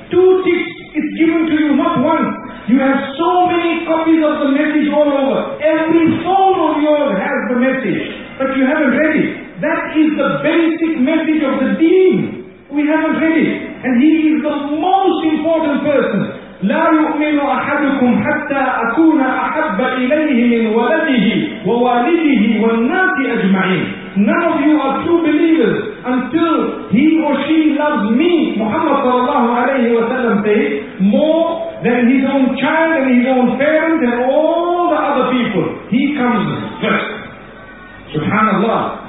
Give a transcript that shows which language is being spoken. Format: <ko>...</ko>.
<en>2 ticks is given to you, not once. You have so many copies of the message all over. Every soul of yours has the message, but you haven't read it. That is the basic message of the deen. We haven't read it. And he is the most important person.</en> <ar>لا يؤمن أحدكم حتى أكون أحب إليه من ولده ووالده والناس أجمعين.</ar> <en>None of you are true believers until he or she loves me, Muhammad sallallahu alayhi wa sallam says, more than his own child and his own parents and all the other people. He comes first. Subhanallah.</en>